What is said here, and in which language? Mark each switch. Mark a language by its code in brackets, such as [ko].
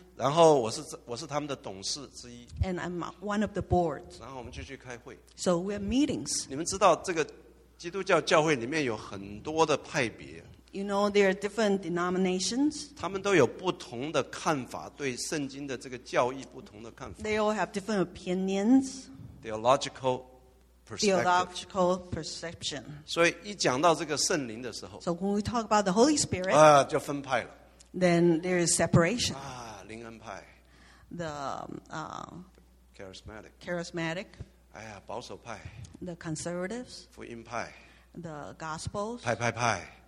[zh] 然后我是他们的董事之一。 [en] And I'm one of the board. [zh] 然后我们就去开会。 [en] So we have meetings. [zh] 你们知道这个基督教教会里面有很多的派别。 [en] You know, there are different denominations. [zh] 他们都有不同的看法，对圣经的这个教义不同的看法。 [en] They all have different opinions. Theological perspective. Theological perception. [zh] 所以一讲到这个圣灵的时候 [en] So when we talk about the Holy Spirit, [zh] 就分派了。 [en] Then there is separation. [zh] 灵恩派。 [en] The charismatic. Charismatic. [zh] 保守派。 [en] The conservatives. [zh] 福音派。 [en] The gospels. [zh] 派。